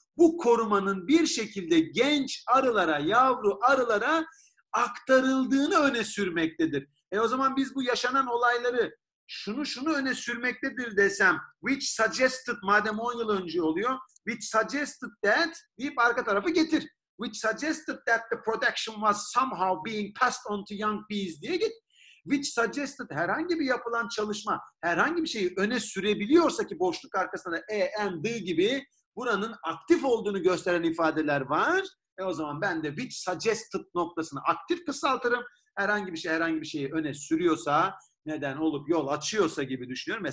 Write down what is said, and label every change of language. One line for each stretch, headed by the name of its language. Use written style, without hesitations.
Turkish: Bu korumanın bir şekilde genç arılara, yavru arılara aktarıldığını öne sürmektedir. O zaman biz bu yaşanan olayları şunu öne sürmektedir desem,
English: which suggested,
Turkish: madem 10 yıl önce oluyor,
English: which suggested that
Turkish: deyip arka tarafı getir.
English: Which suggested that the production was somehow being passed on to young bees
Turkish: diye git.
English: Which suggested
Turkish: herhangi bir yapılan çalışma, herhangi bir şeyi öne sürebiliyorsa ki boşluk arkasında da and gibi buranın aktif olduğunu gösteren ifadeler var. O zaman ben de
English: which suggested
Turkish: noktasını aktif kısaltırım. Herhangi bir şeyi öne sürüyorsa, neden olup yol açıyorsa gibi düşünüyorum.